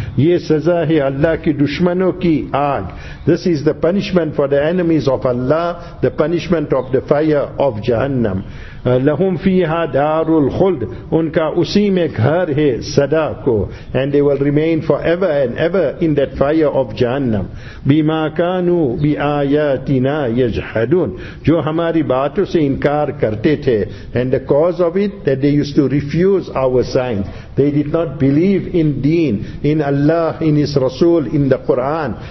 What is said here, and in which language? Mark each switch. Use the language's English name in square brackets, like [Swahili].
[Urdu] یہ سزا ہے اللہ کی دشمنوں کی آگ. [English] This is the punishment for the enemies of Allah, the punishment of the fire of Jahannam. [Arabic] لَهُمْ فِيهَا دَارُ الْخُلْدِ [Urdu] ان کا اسی میں گھر ہے صدا کو. [English] And they will remain forever and ever in that fire of Jahannam. [Arabic] بِمَا كَانُوا بِآيَاتِنَا يَجْحَدُونَ [Urdu] جو ہماری باتوں سے انکار کرتے تھے. [English] And the cause of it, that they used to refuse our signs. They did not believe in deen, in Allah, in His Rasul, in the Quran.